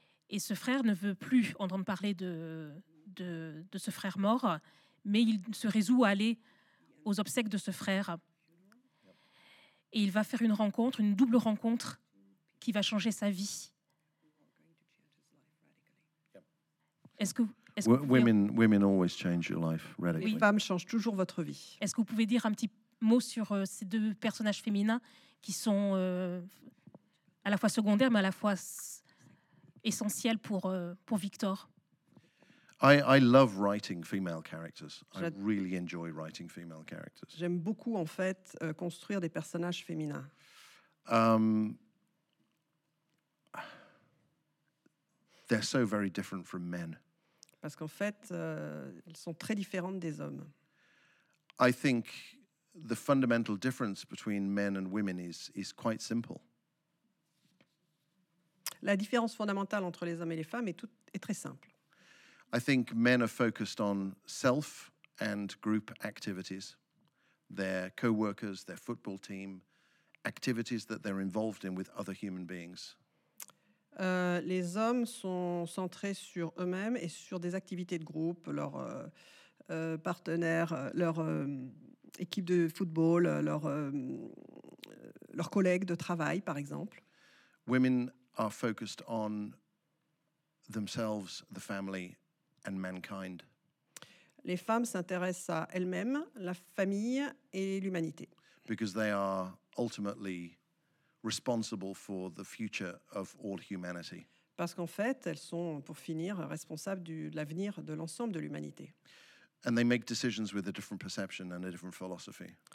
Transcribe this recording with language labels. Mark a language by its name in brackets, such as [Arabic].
[French] Et ce frère ne veut plus entendre parler de ce frère mort, mais il se résout à aller aux obsèques de ce frère. Et il va faire une rencontre, une double rencontre, qui va changer sa vie. [English] Women always change your life radically. [French] Oui, femmes changent toujours votre vie. Est-ce que vous pouvez dire un petit mot sur ces deux personnages féminins qui sont à la fois secondaires, mais à la fois essentiels pour Victor? [English] I love writing female characters. I really enjoy writing female characters. [French] J'aime beaucoup en fait construire des personnages féminins. [English] They're so very different from men. [French] Parce qu'en fait, elles sont très différentes des hommes. [English] I think the fundamental difference between men and women is quite simple. [French] La différence fondamentale entre les hommes et les femmes est très simple. [English] I think men are focused on self and group activities. Their co-workers, their football team, activities that they're involved in with other human beings. [French] Les hommes sont centrés sur eux-mêmes et sur des activités de groupe, leur partenaire, leur équipe de football, leur collègue de travail, par exemple. [English] Women are focused on themselves, the family, and mankind. [French] Les femmes s'intéressent à elles-mêmes, la famille et l'humanité. [English] Because they are ultimately responsible for the future of all humanity. [French] Parce qu'en fait, elles sont, pour finir, responsables de l'avenir de l'ensemble de l'humanité. [English] And they make decisions with a different perception and a different philosophy.